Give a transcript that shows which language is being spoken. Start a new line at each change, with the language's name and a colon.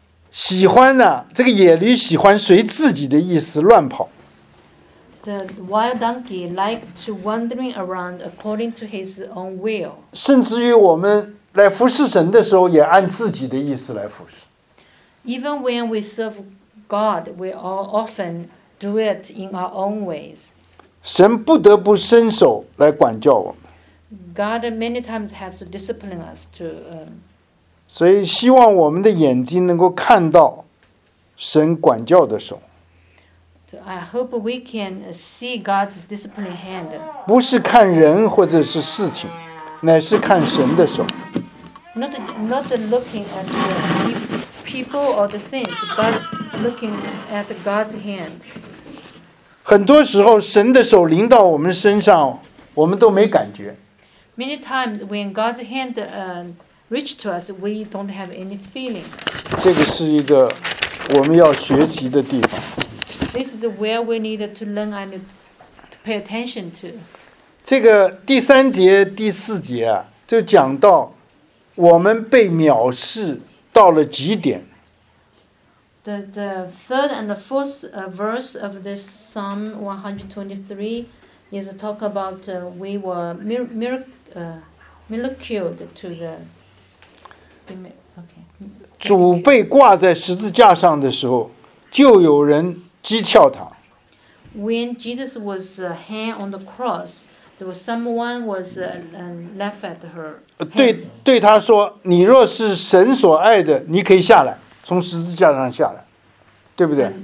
Chinese: 喜欢呢、这个野驴喜欢随自己的意思乱跑。
English: The wild donkey likes to wandering around according to his own will.
Chinese: 甚至于我们来服侍神的时候，也按自己的意思来服侍。
English: Even when we serve God, we all often do it in our own ways.
Chinese: 神不得不伸手来管教我们。
English: God many times has to discipline us to.
Chinese: 所以希望我们的眼睛能够看到神管教的手。
English: So I hope we can see God's disciplining hand.
Chinese: 不是看人或者是事情，乃是看神的手。
English: Not looking at the people or the things, but looking at God's hand.
Chinese: 很多时候，神的手临到我们身上，我们都没感觉。
English: Many times when God's hand reached to us, we don't have any feeling.
Chinese: 这个是一个我们要学习的地方。
English: This is where we need to learn and to pay attention to.
Chinese: 这个第三节、第四节啊，就讲到我们被藐视。到了极点。
English: The third and the fourth verse of this Psalm 123 is talk about we were miracled to the. Okay.
Chinese: 主被挂在十字架上的时候，就有人讥诮他。
English: When Jesus was hanged on the cross, there was someone was laugh at her.
Chinese: 对他说，你若是神所爱的，你可以下来，从十字架上下来，对不对？